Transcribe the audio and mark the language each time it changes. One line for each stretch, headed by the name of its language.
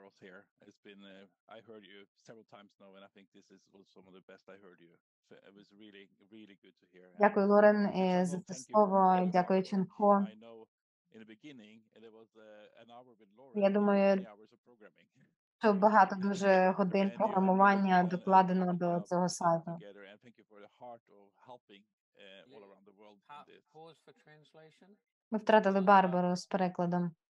English: Here it's been I heard you several times now, and I think this is also one of the best I heard you, so it was really really good to hear.
Ukrainian: Дякую, Лорен, за це слово. Дякую, Чен Хо.
English: I know in the beginning there was an hour with Лорен.
Ukrainian: Я думаю, що багато дуже годин програмування докладено до цього сайту.
English: Thank you for the heart of helping all around the world. Pause for translation.
Ukrainian: Ми втратили Барбару з перекладом.